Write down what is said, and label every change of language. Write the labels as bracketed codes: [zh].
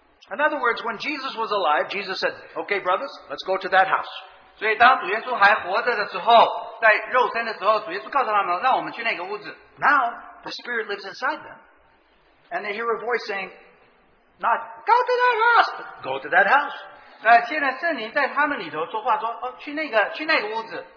[en] in other words, when Jesus was alive, Jesus said, okay, brothers, let's go to that house. [zh] 所以当主耶稣还活着的时候, [en] now, the Spirit lives inside them. And they hear a voice saying, not, go to that house, but go to that house. [zh] 现在圣灵在他们里头说话说,去那个屋子。